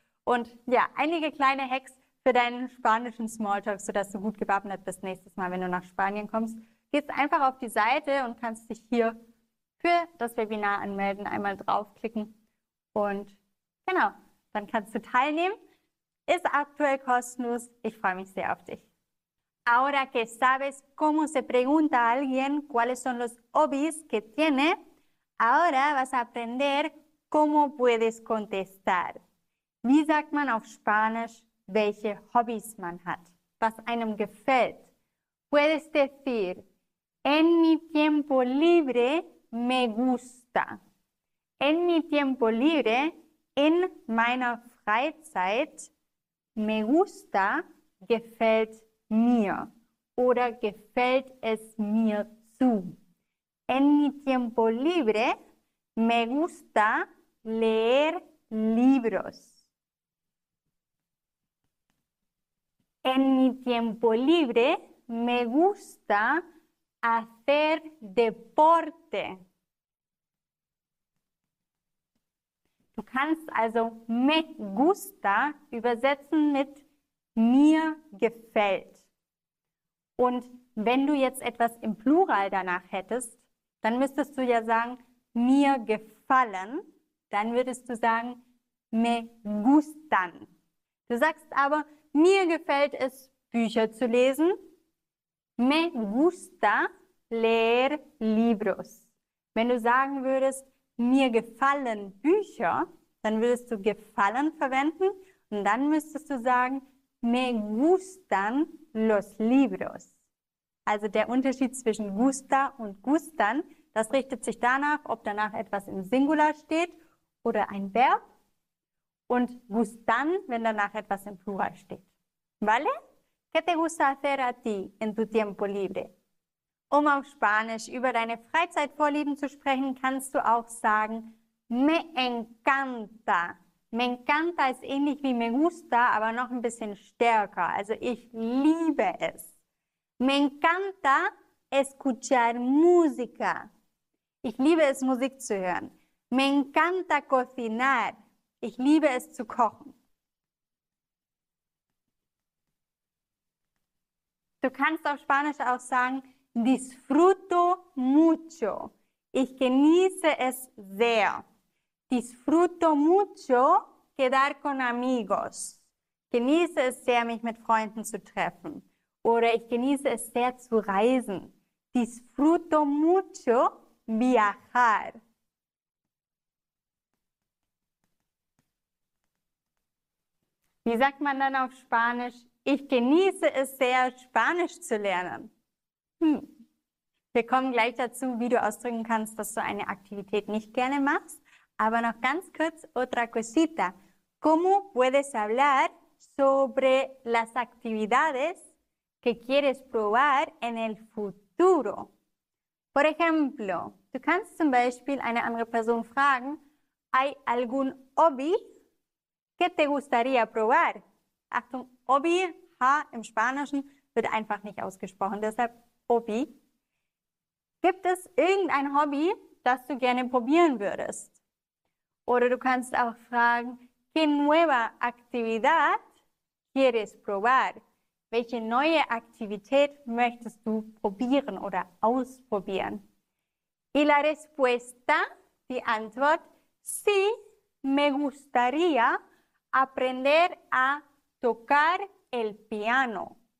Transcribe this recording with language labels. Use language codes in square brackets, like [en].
[de] Und ja, einige kleine Hacks für deinen spanischen Smalltalk, sodass du gut gewappnet bist nächstes Mal, wenn du nach Spanien kommst. Gehst einfach auf die Seite und kannst dich hier für das Webinar anmelden, einmal draufklicken. Und genau, dann kannst du teilnehmen. Ist aktuell kostenlos. Ich freue mich sehr auf dich. [es] Ahora que sabes cómo se pregunta a alguien cuáles son los hobbies que tiene, ahora vas a aprender cómo puedes contestar. [de] Wie sagt man auf Spanisch, welche Hobbys man hat, was einem gefällt? [es] Puedes decir, en mi tiempo libre me gusta. En mi tiempo libre, [de] in meiner Freizeit, [es] me gusta, [de] gefällt mir oder gefällt es mir zu. [es] En mi tiempo libre me gusta leer libros. En mi tiempo libre me gusta hacer deporte. [de] Du kannst also me gusta übersetzen mit mir gefällt. Und wenn du jetzt etwas im Plural danach hättest, dann müsstest du ja sagen, mir gefallen. Dann würdest du sagen, me gustan. Du sagst aber, mir gefällt es, Bücher zu lesen. [es] Me gusta leer libros. [de] Wenn du sagen würdest, mir gefallen Bücher, dann würdest du gefallen verwenden. Und dann müsstest du sagen, [es] me gustan los libros. [de] Also der Unterschied zwischen gusta und gustan, das richtet sich danach, ob danach etwas im Singular steht oder ein Verb. Und gustan, wenn danach etwas im Plural steht. [es] ¿Vale? ¿Qué te gusta hacer a ti en tu tiempo libre? [de] Um auf Spanisch über deine Freizeitvorlieben zu sprechen, kannst du auch sagen, [es] me encanta. Me encanta [de] ist ähnlich wie [es] me gusta, [de] aber noch ein bisschen stärker. Also ich liebe es. [es] Me encanta escuchar música. [de] Ich liebe es, Musik zu hören. [es] Me encanta cocinar. [de] Ich liebe es zu kochen. Du kannst auf Spanisch auch sagen, [es] disfruto mucho. [de] Ich genieße es sehr. [es] Disfruto mucho quedar con amigos. [de] Genieße es sehr, mich mit Freunden zu treffen. Oder ich genieße es sehr zu reisen. [es] Disfruto mucho viajar. [de] Wie sagt man dann auf Spanisch? Ich genieße es sehr, Spanisch zu lernen. Wir kommen gleich dazu, wie du ausdrücken kannst, dass du eine Aktivität nicht gerne machst. Aber noch ganz kurz, [es] otra cosita. ¿Cómo puedes hablar sobre las actividades que quieres probar en el futuro? Por ejemplo, [de] du kannst zum Beispiel eine andere Person fragen, [es] ¿Hay algún hobby que te gustaría probar? [de] Achtung, hobby, H im Spanischen wird einfach nicht ausgesprochen, deshalb hobby. Gibt es irgendein Hobby, das du gerne probieren würdest? Oder du kannst auch fragen, [es] ¿Qué nueva actividad quieres probar? [de] Welche neue Aktivität möchtest du probieren oder ausprobieren? [es] Y la respuesta, [de] die Antwort, [es] sí, me gustaría aprender a tocar el piano.